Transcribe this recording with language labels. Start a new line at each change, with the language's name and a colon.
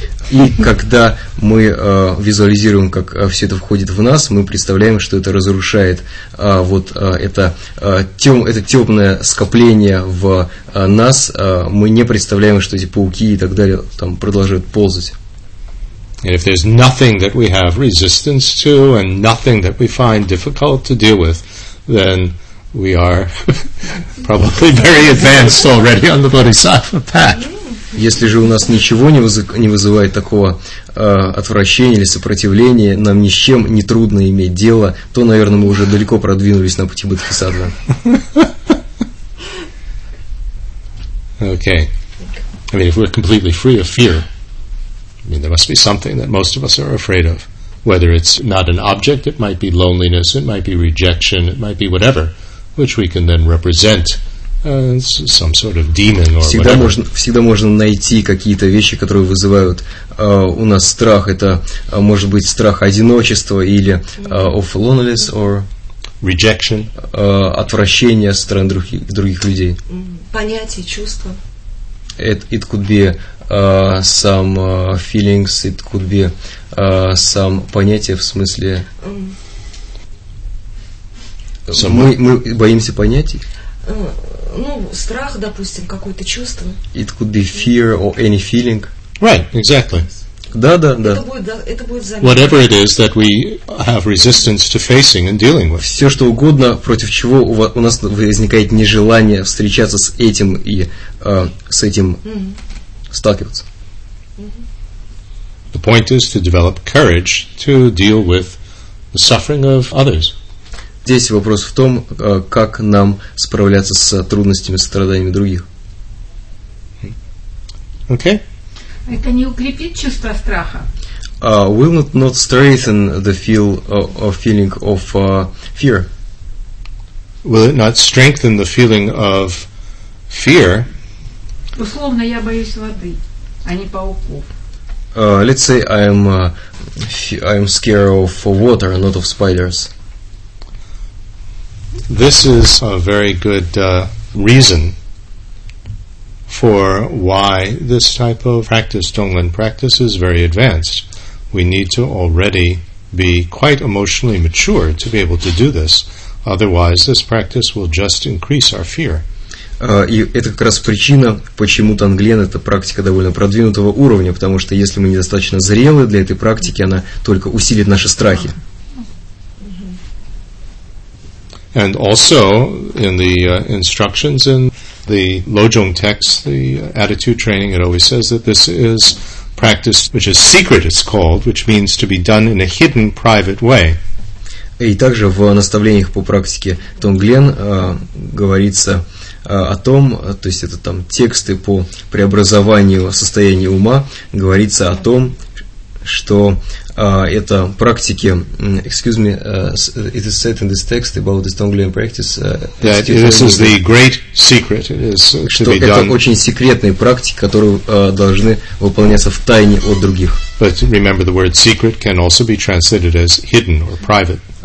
Russian: И когда мы визуализируем, как все это входит в нас, мы представляем, что это разрушает вот это темное скопление в нас. Мы не представляем, что эти пауки и так далее там продолжают ползать.
English: We are probably very advanced already on the bodhisattva path.
Russian: Если же у нас ничего не вызывает такого отвращения или сопротивления, нам ни с чем не трудно иметь дело, то, наверное, мы уже далеко продвинулись на пути бодхисаттвы.
English: Okay. I mean, if we're completely free of fear, I mean, there must be something that most of us are afraid of. Whether it's not an object, it might be loneliness, it might be rejection, it might be whatever. Which we can then represent as some sort of demon or
Russian: всегда
English: whatever.
Russian: Всегда можно найти какие-то вещи, которые вызывают у нас страх. Это может быть страх одиночества или
English: of loneliness or rejection.
Russian: Отвращение со стороны других людей. Понятия, чувства.
English: It could be some feelings. It could be some
Russian: понятия в смысле. Мы боимся понятий? Ну, страх, допустим, какое-то чувство.
English: It could be fear or any feeling. Right, exactly.
Russian: Да. Это будет заметно.
English: Whatever it is that we have resistance to facing and dealing with.
Russian: Все что угодно, против чего у нас возникает нежелание встречаться с этим и с этим сталкиваться.
English: The point is to develop courage to deal with the suffering of others.
Russian: Здесь вопрос в том, как нам справляться с трудностями, с страданиями других.
English: Okay.
Russian: Это не укрепит чувство страха?
English: Will it not strengthen the feel of feeling of fear? Will it not strengthen the feeling of fear?
Russian: Условно, я боюсь воды, а не пауков.
English: Let's say I'm scared of water, not of spiders. This is a very good reason for why this type of practice, Donglen practice, is very advanced. We need to already be quite emotionally mature to be able to do this. Otherwise, this practice will just increase our fear.
Russian: И это как раз причина, почему Тонглен – это практика довольно продвинутого уровня, потому что если мы недостаточно зрелы для этой практики, она только усилит наши страхи.
English: And also in the instructions in the Lojong text, the attitude training, it always says that this is practice, which is secret, it's called, which means to be done in a hidden, private way.
Russian: И также в наставлениях по практике Тонглен говорится о том, то есть это там тексты по преобразованию состояния ума, говорится о том, что это практики,
English: excuse me, it is said in this text about this Tonglen practice, that this is the great secret, it is to be done.
Russian: Что это очень секретные практики, которые должны выполняться в тайне от других.
English: But remember, the word secret can also be translated as hidden or private.